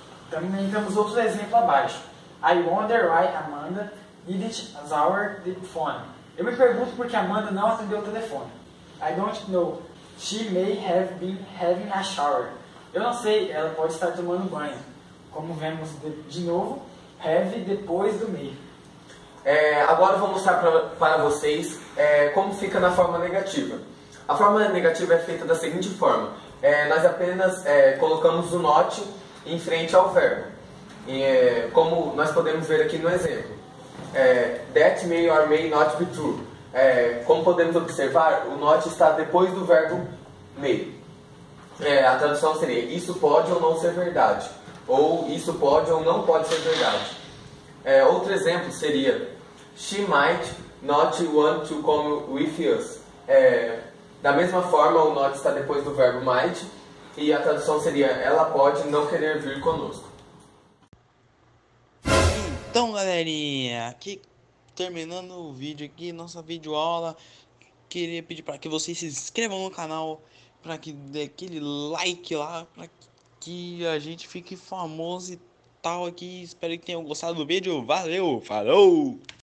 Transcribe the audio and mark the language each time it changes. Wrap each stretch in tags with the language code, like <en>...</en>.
<pt>Também temos outro exemplo abaixo.</pt> <en>I wonder why Amanda didn't answer the phone.</en> <pt>Eu me pergunto por que Amanda não atendeu o telefone.</pt> <en>I don't know. She may have been having a shower.</en> <pt>Eu não sei, ela pode estar tomando banho. Como vemos de novo, have depois do may. Agora eu vou mostrar para vocês como fica na forma negativa. A forma negativa é feita da seguinte forma. Nós apenas colocamos o not em frente ao verbo. Como nós podemos ver aqui no exemplo.</pt> <en>That may or may not be true.</en> <pt>Como podemos observar, o not está depois do verbo may. A tradução seria, isso pode ou não ser verdade. Ou, isso pode ou não pode ser verdade. Outro exemplo seria,</pt> <en>she might not want to come with us.</en> <pt>Da mesma forma, o not está depois do verbo might. E a tradução seria, ela pode não querer vir conosco. Então, galerinha, aqui terminando o vídeo aqui, nossa videoaula, queria pedir para que vocês se inscrevam no canal, para que dê aquele like lá, para que a gente fique famoso e tal aqui. Espero que tenham gostado do vídeo. Valeu, falou!</pt>